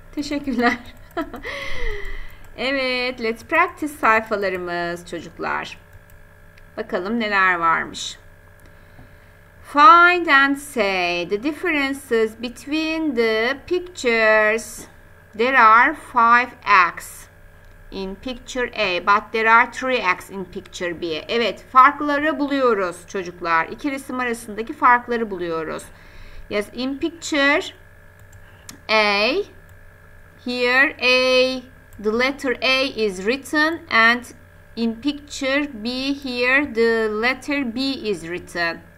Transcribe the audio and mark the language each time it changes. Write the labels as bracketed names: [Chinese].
[Turkish] Teşekkürler. Evet, [English] let's practice [Turkish] sayfalarımız çocuklar. Bakalım neler varmış. [English] Find and say the differences between the pictures. There are 5 acts. In picture A, but there are 3 acts in picture B. [Turkish] Evet, farkları buluyoruz çocuklar. İki resim arasındaki farkları buluyoruz. [English] Yes, in picture A. Here A, the letter A is written, and in picture B here the letter B is written.